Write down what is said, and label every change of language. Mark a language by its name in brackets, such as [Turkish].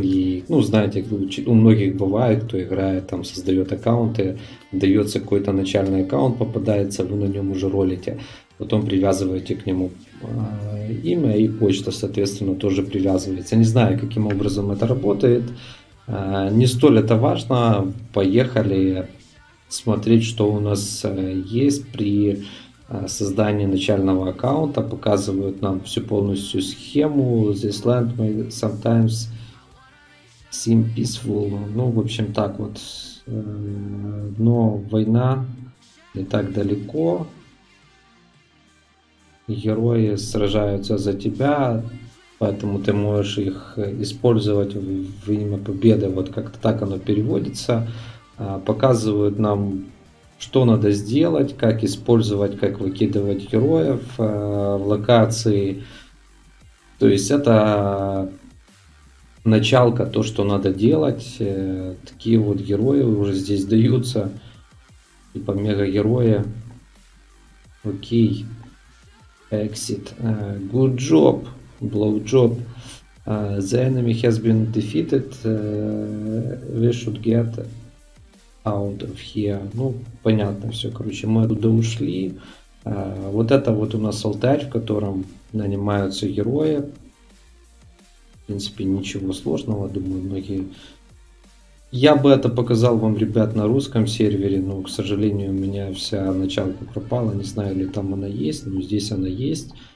[Russian] И, ну, знаете, у многих бывает, кто играет, там создает аккаунты, дается какой-то начальный аккаунт, попадается, вы на нем уже ролите, потом привязываете к нему имя, и почта, соответственно, тоже привязывается. Не знаю, каким образом это работает, не столь это важно. Поехали смотреть, что у нас есть при создании начального аккаунта. Показывают нам всю полностью схему. [English] This land may sometimes seem peaceful. [Russian] Ну, в общем, так вот. Но война не так далеко. Герои сражаются за тебя, поэтому ты можешь их использовать в имя победы. Вот как-то так оно переводится. Показывают нам, что надо сделать, как использовать, как выкидывать героев в локации. То есть это началка, то, что надо делать. Такие вот герои уже здесь даются. Типа мега-герои. Окей. [English] Exit. Good job. Blow job. The enemy has been defeated. We should get out of here. [Russian] Ну, понятно все, короче, мы оттуда ушли. Вот это вот у нас алтарь, в котором нанимаются герои. В принципе, ничего сложного, думаю, многие. Я бы это показал вам, ребят, на русском сервере, но, к сожалению, у меня вся началка пропала, не знаю, ли там она есть, но здесь она есть.